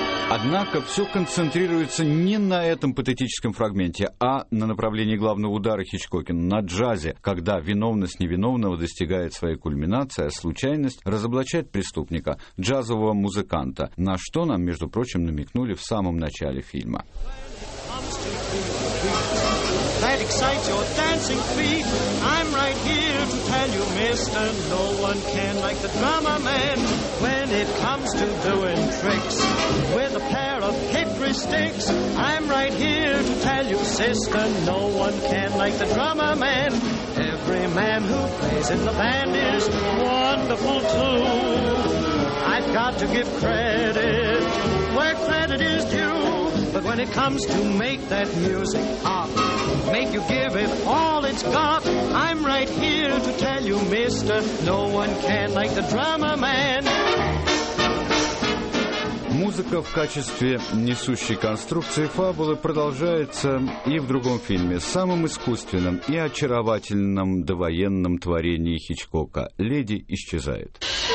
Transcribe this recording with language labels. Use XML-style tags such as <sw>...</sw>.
<ru>Однако все концентрируется не на этом патетическом фрагменте, а на направлении главного удара Хичкокина, на джазе, когда виновность невиновного достигает своей кульминации, а случайность разоблачает преступника, джазового музыканта, на что нам, между прочим, намекнули в самом начале фильма.</ru> <en>That excites your dancing feet. I'm right here to tell you, mister, no one can like the drummer man. When it comes to doing tricks with a pair of hickory sticks, I'm right here to tell you, sister, no one can like the drummer man. Every man who plays in the band is wonderful too. I've got to give credit where credit is due. But when it comes to make that music pop, make you give it all it's got, I'm right here to tell you, mister, no one can like the drummer man.</en> <ru>Музыка в качестве несущей конструкции фабулы продолжается и в другом фильме, самом искусственном и очаровательном довоенном творении Хичкока «Леди исчезает».</ru>